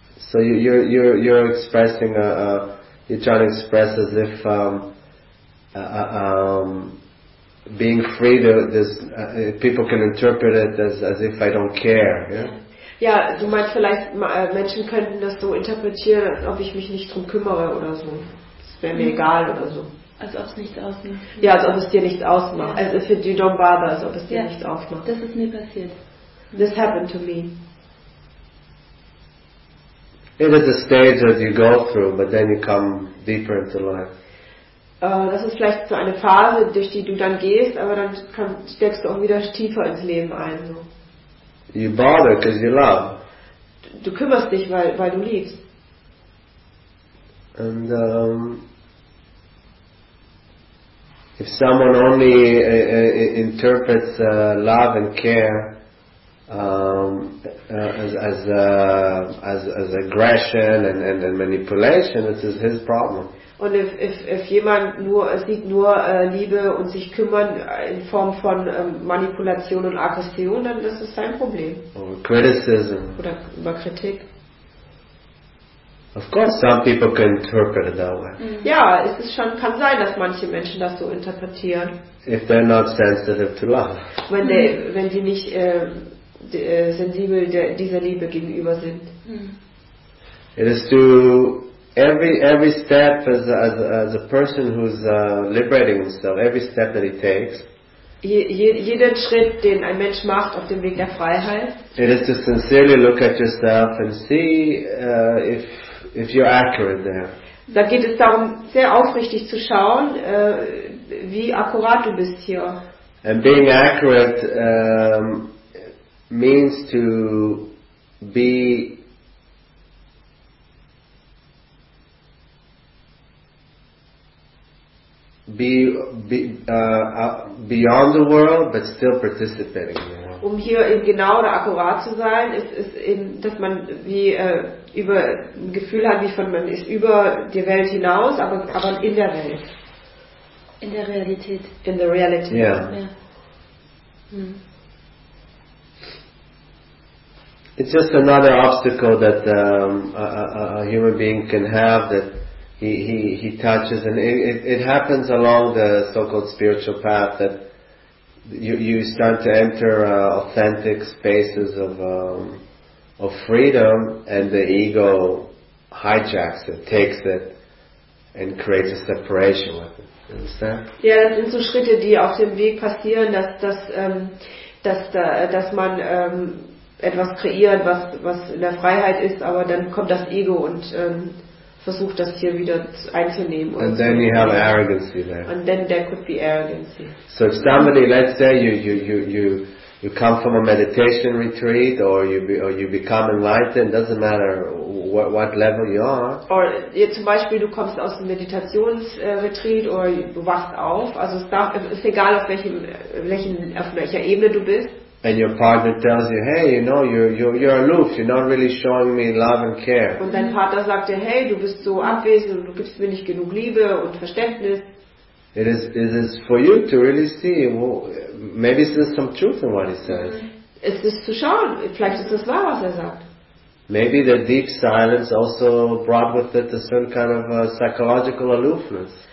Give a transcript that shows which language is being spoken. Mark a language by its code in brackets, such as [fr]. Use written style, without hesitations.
[en] So you're expressing you're trying to express as if being free to this people can interpret it as if I don't care. Yeah. [de] Ja, du meinst vielleicht Menschen könnten das so interpretieren, als ob ich mich nicht drum kümmere oder so. Es wäre mir egal oder so. Als ob es nichts ausmacht. Ja, als ob es dir nichts ausmacht. Ja. Also [en] if you don't bother, [de] als ob es dir nichts ausmacht. Das ist mir passiert. [en] This happened to me. It is a stage that you go through, but then you come deeper into life. [de] Das ist vielleicht so eine Phase, durch die du dann gehst, aber dann steckst du auch wieder tiefer ins Leben ein. So. [en] You bother because you love. [de] Du kümmerst dich, weil du liebst. [en] And if someone only interprets love and care as aggression and manipulation, it is his problem. [de] Und if jemand sieht nur Liebe und sich kümmern in Form von Manipulation und Aggression, dann ist es sein Problem. [en] Or criticism. [de] Oder über Kritik. [en] Of course, some people can interpret it that way. [de] Ja, es ist schon, kann sein, dass manche Menschen das so interpretieren. [en] If they're not sensitive to love. [de] Wenn sie nicht sensibel dieser Liebe gegenüber sind. [en] It is to every step as a person who's liberating himself. Every step that he takes. [de] Jeden Schritt, den ein Mensch macht auf dem Weg der Freiheit. [en] It is to sincerely look at yourself and see if you're accurate there. [de] Da geht es darum, sehr aufrichtig zu schauen, wie akkurat du bist hier. [en] And being accurate means to be beyond the world, but still participating. [de] Um hier eben genau oder akkurat zu sein, ist eben, dass man wie über ein Gefühl hat, wie von man ist über die Welt hinaus, aber in der Welt. In der Realität. [en] In the reality. Yeah. It's just another obstacle that a human being can have that he touches, and it happens along the so-called spiritual path that you start to enter authentic spaces of freedom, and the ego hijacks it, takes it, and creates a separation with it. Understand? [de] Ja, das sind so Schritte, die auf dem Weg passieren, dass man etwas kreiert, was in der Freiheit ist, aber dann kommt das Ego und versucht das hier wieder einzunehmen. [en] And then you have arrogance there. And then there could be arrogance. So if somebody, let's say you come from a meditation retreat or you become enlightened, doesn't matter what level you are. [de] Or zum Beispiel du kommst aus dem Meditationsretreat oder du wachst auf. Also es ist egal auf welcher Ebene du bist. [en] And your partner tells you, hey, you know, you're aloof, you're not really showing me love and care. [de] Und dein Partner sagt dir, hey, du bist so abwesend und du gibst mir nicht genug Liebe und Verständnis. [en] It is for you to really see, well, maybe there's some truth in what he says. [de] Es ist zu schauen, vielleicht ist das wahr, was er sagt. [en] Maybe the deep silence also brought with it a certain kind of psychological aloofness.